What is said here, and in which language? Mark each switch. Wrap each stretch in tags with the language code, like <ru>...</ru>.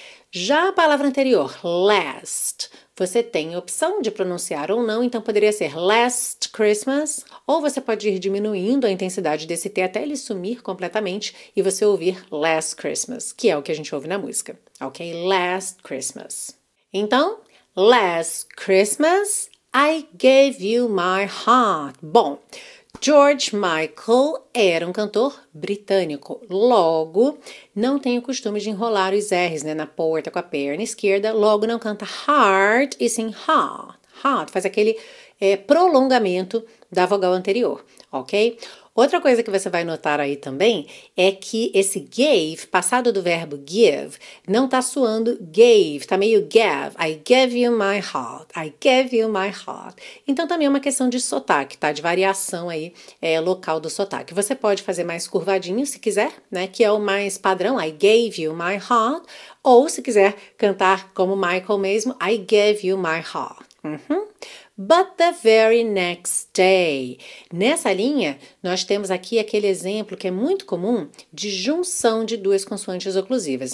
<pt>Já a palavra anterior, last, você tem opção de pronunciar ou não, então poderia ser last Christmas, ou você pode ir diminuindo a intensidade desse T até ele sumir completamente e você ouvir last Christmas, que é o que a gente ouve na música, ok?</pt> <en>Last Christmas. Então, last Christmas, I gave you my heart.</en> <pt>Bom, George Michael era um cantor britânico, logo, não tem o costume de enrolar os R's, né, na porta com a perna esquerda, logo não canta heart e sim heart, heart, faz aquele prolongamento da vogal anterior, ok? Outra coisa que você vai notar aí também é que esse gave, passado do verbo give, não tá soando gave, tá meio gave.</pt> <en>I gave you my heart, I gave you my heart.</en> <pt>Então também é uma questão de sotaque, tá? De variação aí local do sotaque. Você pode fazer mais curvadinho se quiser, né? Que é o mais padrão,</pt> <en>I gave you my heart.</en> <pt>Ou se quiser cantar como Michael mesmo,</pt> <en>I gave you my heart. But the very next day.</en> <pt>Nessa linha, nós temos aqui aquele exemplo que é muito comum de junção de duas consoantes oclusivas.</pt>